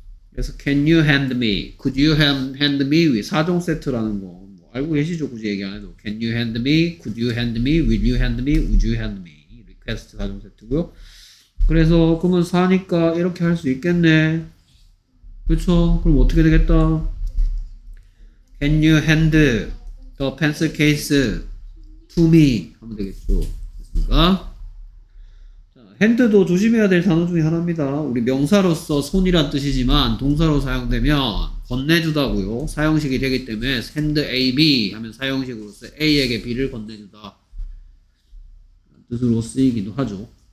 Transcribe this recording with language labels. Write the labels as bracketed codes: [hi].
[ko] 그래서 [en] can you hand me? could you hand me? [ko] 위 4종 세트라는 거 뭐 알고 계시죠? 굳이 얘기 안 해도 [en] can you hand me? [ko] could you hand me? will you hand me? [en] would you hand me? request [ko] 4종 세트고요. 그래서 그러면 4니까 이렇게 할 수 있겠네. 그렇죠? 그럼 어떻게 되겠다? [en] Can you hand the pencil case to me? [ko] 하면 되겠죠. 됐습니까? 자, hand도 조심해야 될 단어 중에 하나입니다. 우리 명사로서 손이란 뜻이지만 동사로 사용되면 건네주다고요. 사용식이 되기 때문에 hand A, B 하면 사용식으로서 A에게 B를 건네주다 뜻으로 쓰이기도 하죠.